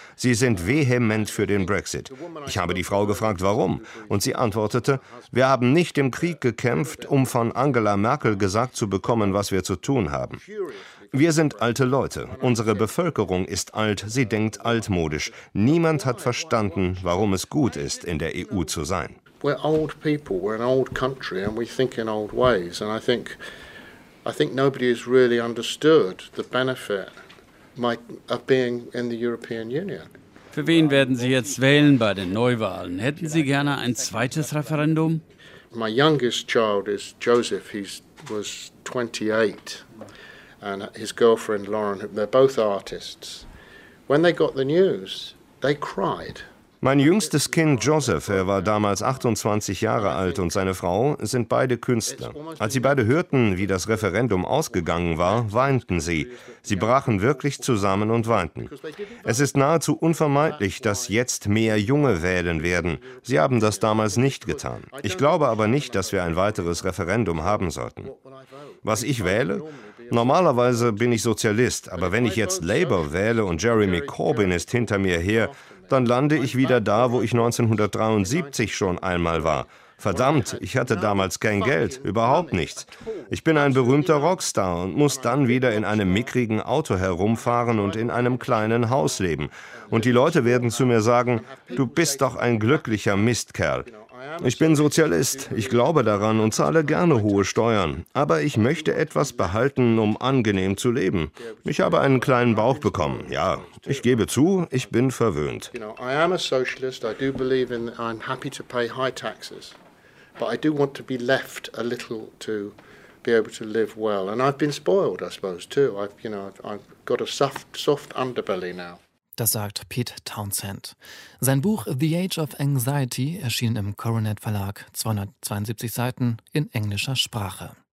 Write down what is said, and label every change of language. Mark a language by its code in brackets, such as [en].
[de] Sie sind vehement für den Brexit. Ich habe die Frau gefragt, warum, und sie antwortete, wir haben nicht im Krieg gekämpft, um von Angela Merkel gesagt zu bekommen, was wir zu tun haben. Wir sind alte Leute. Unsere Bevölkerung ist alt, sie denkt altmodisch. Niemand hat verstanden, warum es gut ist, in der EU zu sein. [en] We're old people, we're an old country and we think in old ways and I think nobody has really understood the benefit of being in the European Union. [de] Für wen werden Sie jetzt wählen bei den Neuwahlen? Hätten Sie gerne ein zweites Referendum? [en] My youngest child is Joseph. He was 28. And his girlfriend Lauren, they're both artists. When they got the news, they cried. [de] Mein jüngstes Kind Joseph, er war damals 28 Jahre alt und seine Frau, sind beide Künstler. Als sie beide hörten, wie das Referendum ausgegangen war, weinten sie. Sie brachen wirklich zusammen und weinten. Es ist nahezu unvermeidlich, dass jetzt mehr Junge wählen werden. Sie haben das damals nicht getan. Ich glaube aber nicht, dass wir ein weiteres Referendum haben sollten. Was ich wähle? Normalerweise bin ich Sozialist, aber wenn ich jetzt Labour wähle und Jeremy Corbyn ist hinter mir her, dann lande ich wieder da, wo ich 1973 schon einmal war. Verdammt, ich hatte damals kein Geld, überhaupt nichts. Ich bin ein berühmter Rockstar und muss dann wieder in einem mickrigen Auto herumfahren und in einem kleinen Haus leben. Und die Leute werden zu mir sagen, du bist doch ein glücklicher Mistkerl. Ich bin Sozialist, ich glaube daran und zahle gerne hohe Steuern. Aber ich möchte etwas behalten, um angenehm zu leben. Ich habe einen kleinen Bauch bekommen. Ja, ich gebe zu, ich bin verwöhnt. [en] I am a socialist, I do believe in, I'm happy to pay high taxes. But I do want to be left a little to be able to live well. And I've been spoiled, I suppose, too. I've got a soft underbelly now. [de] Das sagt Pete Townshend. Sein Buch The Age of Anxiety erschien im Coronet Verlag, 272 Seiten in englischer Sprache.